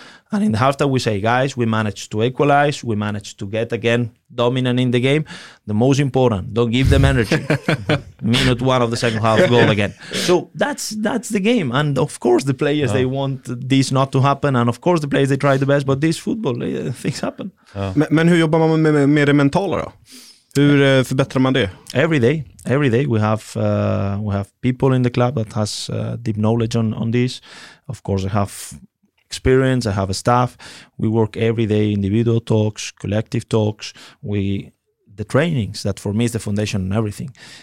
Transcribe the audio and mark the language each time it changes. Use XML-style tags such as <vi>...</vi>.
<en>And in the halftime, we say, guys, we managed to equalize. We managed to get again dominant in the game. The most important, don't give them energy. Minute 1 of the second half, goal again. So that's the game. And of course, the players, they want this not to happen. And of course, the players, they try the best. But this football, things happen.</en> <sv>Men hur jobbar man med det mentala då? Hur förbättrar man det?</sv> <en>Every day we have people in the club that has deep knowledge on this. Of course, I have experience, I have a staff. We work every day, individual talks, collective talks, the trainings, that for me is the foundation and everything.</en>